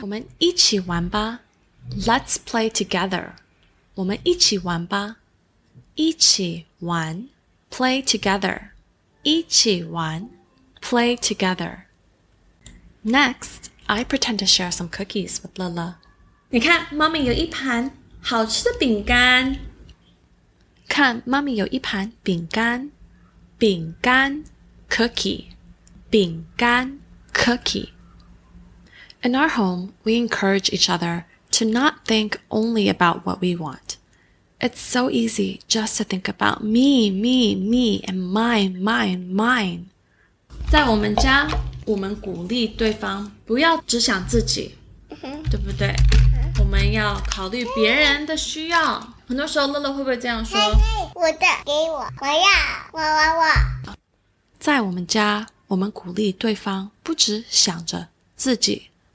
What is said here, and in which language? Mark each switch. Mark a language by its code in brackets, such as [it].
[zh] 我们一起玩吧 [en] Let's play together [zh] 我们一起玩吧一起玩 [en] Play together [zh] 一起玩 [en] Play together Next, I pretend to share some cookies with Lila [zh] 你看妈咪有一盘好吃的饼干看妈咪有一盘饼干饼干 [en] Cookie 饼干 Cookie In our home, we encourage each other to not think only about what we want. It's so easy just to think about me, me, me, and mine, mine, mine. [zh] 在我们家，我们鼓励对方不要只想自己，对不对？我们要考虑别人的需要。很多时候，乐乐会不会这样说？我的，给我，我要，我。在我们家，我们鼓励对方不只想着自己。